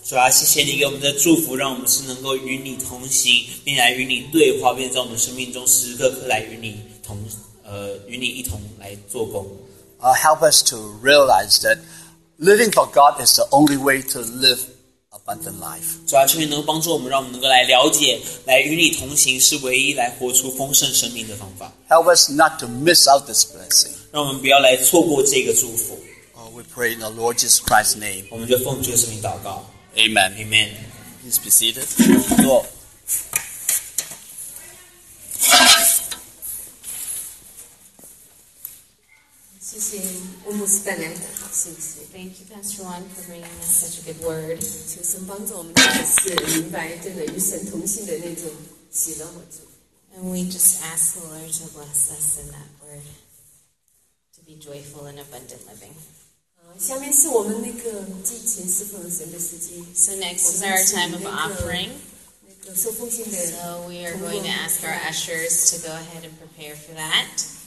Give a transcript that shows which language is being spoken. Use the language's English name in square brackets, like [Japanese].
[Chinese] 主啊，谢谢你给我们的祝福，让我们是能够与你同行，并来与你对话，并在我们生命中时时刻刻来与你同与你一同来做工。 [English] Help us to realize that living for God is the only way to live. Help us not to miss out this blessing. [Chinese] 让我们不要来错过这个祝福。 [English] Oh, we pray in the Lord Jesus Christ's name. [Chinese] 我们就奉主的圣名祷告。 [English] Amen. Amen. Please be seated. [Chinese] 坐。 [English] Thank you, Pastor Juan, for bringing us such a good word. [Chinese] 求神帮助我们再次明白这个与神同行的那种喜乐和祝福。 [English] And we just ask the Lord to bless us in that word, to be joyful and abundant living. [Chinese] 下面是我们那个祭前侍奉神的时间。 [English] So next is our time of offering. [Chinese] 那个受奉献的。 [English] So we are going to ask our ushers to go ahead and prepare for that.